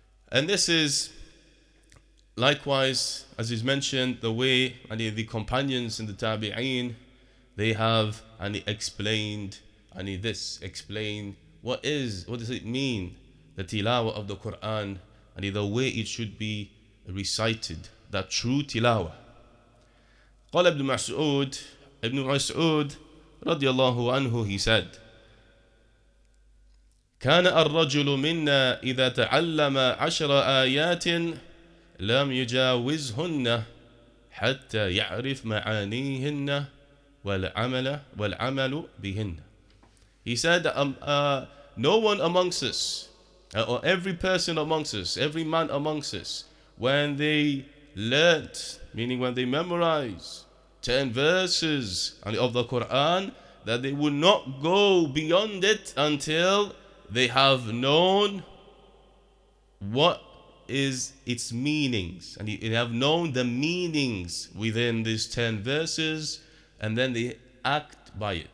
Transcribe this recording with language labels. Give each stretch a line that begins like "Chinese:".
English: And this is likewise, as is mentioned, the way the companions in the Tabi'een, they have explained what does it mean, the tilawah of the Quran, the way it should be recited, that true tilawah.
Arabic: قال ابن مسعود رضي الله عنه,
English: he said,
Arabic: كان الرجل منا إذا تعلم عشر آيات لم يجاوزهن حتى يعرف معانيهن والعمل بهن.
English: He said, no one amongst us, or every person amongst us, every man amongst us, when they learnt, meaning when they memorize 10 verses of the Quran, that they would not go beyond it until they have known what is its meanings, and they have known the meanings within these 10 verses, and then they act by it.